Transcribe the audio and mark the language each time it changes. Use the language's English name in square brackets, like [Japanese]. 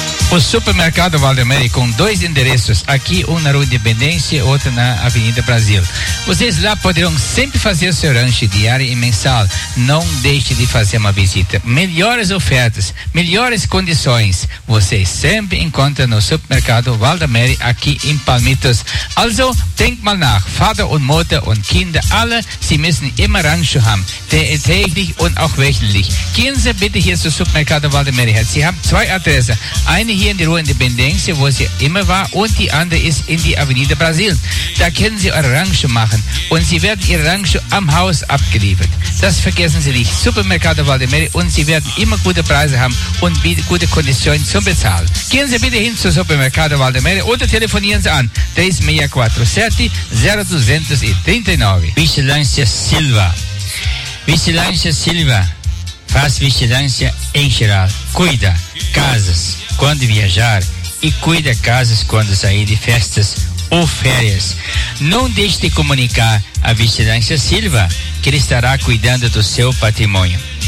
[Portuguese] o supermercado Valdemar, com dois endereços, aqui um na Rua Independência e outro na Avenida Brasil. Vocês lá poderão sempre fazer seu lanche diário e mensal. Não deixe de fazer uma visita. Melhores ofertas, melhores condições. Vocês sempre encontram no supermercado Valdemar, aqui em Palmitos. [German] Also, denk mal nach. Vater und Mutter und Kinder, alle, sie müssen immer Rancho haben. Täglich und auch wöchentlich. Gehen Sie bitte hier zum supermercado Valdemar. Sie haben zwei Adressen. Eine hier in der Rua Independência, wo sie immer war, und die andere ist in die Avenida Brasil. Da können Sie eure Rancho machen und Sie werden Ihre Rancho am Haus abgeliefert. Das vergessen Sie nicht. Supermercado Valdemar, und Sie werden immer gute Preise haben und gute Konditionen zum Bezahlen. Gehen Sie bitte hin zu Supermercado Valdemar oder telefonieren Sie an 3647-0239. [Portuguese] Vigilância Silva. Vigilância Silva. Faz vigilância em geral. Cuida casas quando viajar e cuida casas quando sair de festas ou férias. Não deixe de comunicar a Vigilância Silva, que ele estará cuidando do seu patrimônio.